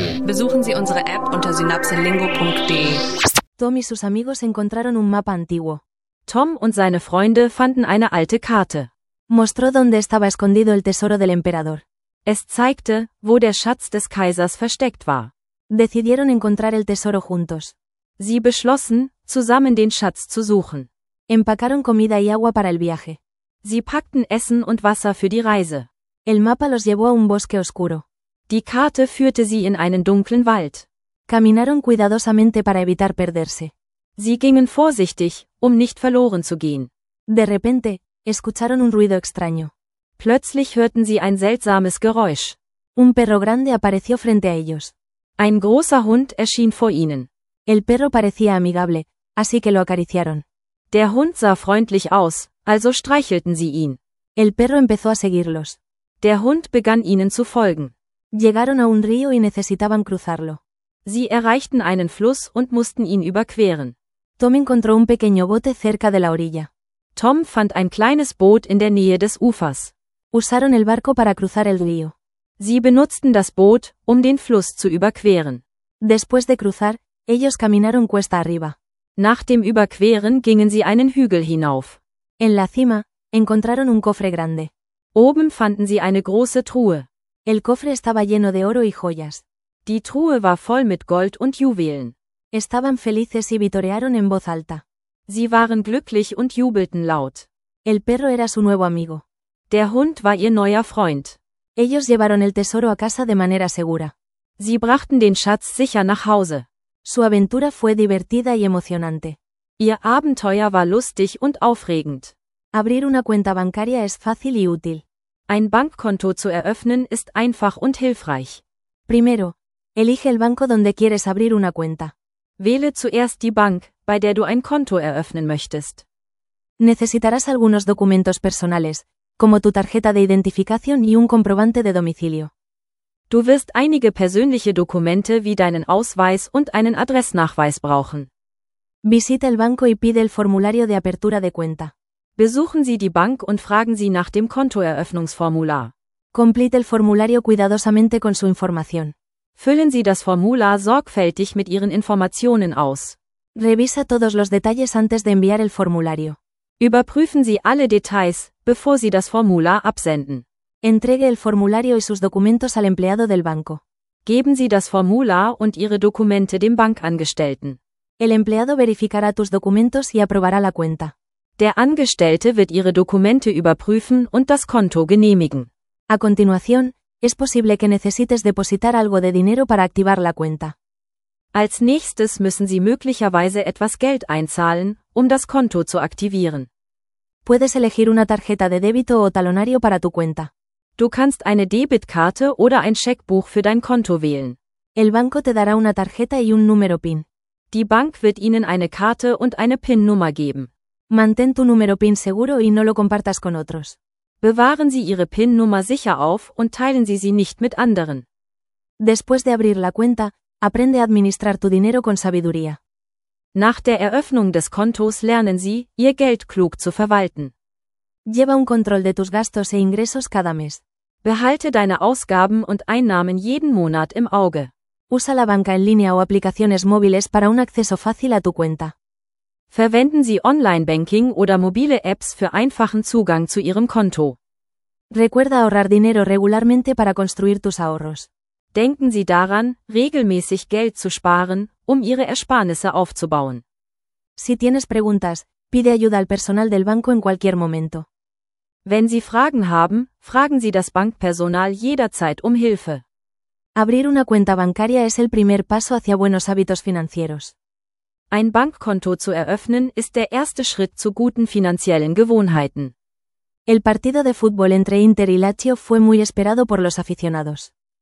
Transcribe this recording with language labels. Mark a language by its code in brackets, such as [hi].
[de] Besuchen Sie unsere App unter synapselingo.de. [es] Tom y sus amigos encontraron un mapa antiguo. [de] Tom und seine Freunde fanden eine alte Karte. [es] Mostró donde estaba escondido el tesoro del emperador. [de] Es zeigte, wo der Schatz des Kaisers versteckt war. [es] Decidieron encontrar el tesoro juntos. [de] Sie beschlossen, zusammen den Schatz zu suchen. [es] Empacaron comida y agua para el viaje. [de] Sie packten Essen und Wasser für die Reise. [es] El mapa los llevó a un bosque oscuro. [de] Die Karte führte sie in einen dunklen Wald. [es] Caminaron cuidadosamente para evitar perderse. [de] Sie gingen vorsichtig, um nicht verloren zu gehen. [es] De repente, escucharon un ruido extraño. [de] Plötzlich hörten sie ein seltsames Geräusch. [es] Un perro grande apareció frente a ellos. [de] Ein großer Hund erschien vor ihnen. [es] El perro parecía amigable, así que lo acariciaron. [de] Der Hund sah freundlich aus, also streichelten sie ihn. [es] El perro empezó a seguirlos. [de] Der Hund begann ihnen zu folgen. [es] Llegaron a un río y necesitaban cruzarlo. [de] Sie erreichten einen Fluss und mussten ihn überqueren. [es] Tom encontró un pequeño bote cerca de la orilla. [de] Tom fand ein kleines Boot in der Nähe des Ufers. [es] Usaron el barco para cruzar el río. [de] Sie benutzten das Boot, um den Fluss zu überqueren. [es] Después de cruzar, ellos caminaron cuesta arriba. [de] Nach dem Überqueren gingen sie einen Hügel hinauf. [es] En la cima, encontraron un cofre grande. [de] Oben fanden sie eine große Truhe. [es] El cofre estaba lleno de oro y joyas. [de] Die Truhe war voll mit Gold und Juwelen. [es] Estaban felices y vitorearon en voz alta. [de] Sie waren glücklich und jubelten laut. [es] El perro era su nuevo amigo. [de] Der Hund war ihr neuer Freund. [es] Ellos llevaron el tesoro a casa de manera segura. [de] Sie brachten den Schatz sicher nach Hause. [es] Su aventura fue divertida y emocionante. [de] Ihr Abenteuer war lustig und aufregend. [es] Abrir una cuenta bancaria es fácil y útil. [de] Ein Bankkonto zu eröffnen ist einfach und hilfreich. [es] Primero, elige el banco donde quieres abrir una cuenta. [de] Wähle zuerst die Bank, bei der du ein Konto eröffnen möchtest. [es] Necesitarás algunos documentos personales, como tu tarjeta de identificación y un comprobante de domicilio. [de] Du wirst einige persönliche Dokumente wie deinen Ausweis und einen Adressnachweis brauchen. [es] Visita el banco y pide el formulario de apertura de cuenta. [de] Besuchen Sie die Bank und fragen Sie nach dem Kontoeröffnungsformular. [es] Complete el formulario cuidadosamente con su información. [de] Füllen Sie das Formular sorgfältig mit Ihren Informationen aus. [es] Revisa todos los detalles antes de enviar el formulario. [de] Überprüfen Sie alle Details, bevor Sie das Formular absenden. [es] Entregue el formulario y sus documentos al empleado del banco. [de] Geben Sie das Formular und Ihre Dokumente dem Bankangestellten. [es] El empleado verificará tus documentos y aprobará la cuenta. [de] Der Angestellte wird Ihre Dokumente überprüfen und das Konto genehmigen. [es] A continuación, es posible que necesites depositar algo de dinero para activar la cuenta. [de] Als nächstes müssen Sie möglicherweise etwas Geld einzahlen, um das Konto zu aktivieren. [es] Puedes elegir una tarjeta de débito o talonario para tu cuenta. [de] Du kannst eine Debitkarte oder ein Scheckbuch für dein Konto wählen. [es] El banco te dará una tarjeta y un número PIN. [de] Die Bank wird Ihnen eine Karte und eine PIN-Nummer geben. [es] Mantén tu número PIN seguro y no lo compartas con otros. [de] Bewahren Sie Ihre PIN-Nummer sicher auf und teilen Sie sie nicht mit anderen. [es] Después de abrir la cuenta, aprende a administrar tu dinero con sabiduría. [de] Nach der Eröffnung des Kontos lernen Sie, Ihr Geld klug zu verwalten. [es] Lleva un control de tus gastos e ingresos cada mes. [de] Behalte deine Ausgaben und Einnahmen jeden Monat im Auge. [es] Usa la banca en línea o aplicaciones móviles para un acceso fácil a tu cuenta. [de] Verwenden Sie Online-Banking oder mobile Apps für einfachen Zugang zu Ihrem Konto. [es] Recuerda ahorrar dinero regularmente para construir tus ahorros. [de] Denken Sie daran, regelmäßig Geld zu sparen, um Ihre Ersparnisse aufzubauen. [es] Si tienes preguntas, pide ayuda al personal del banco en cualquier momento. [de] Wenn Sie Fragen haben, fragen Sie das Bankpersonal jederzeit um Hilfe. [es] Abrir una cuenta bancaria es el primer paso hacia buenos hábitos financieros. [de] Ein Bankkonto zu eröffnen ist der erste Schritt zu guten finanziellen Gewohnheiten. [es] El partido de fútbol entre Inter y Lazio fue muy esperado por los aficionados.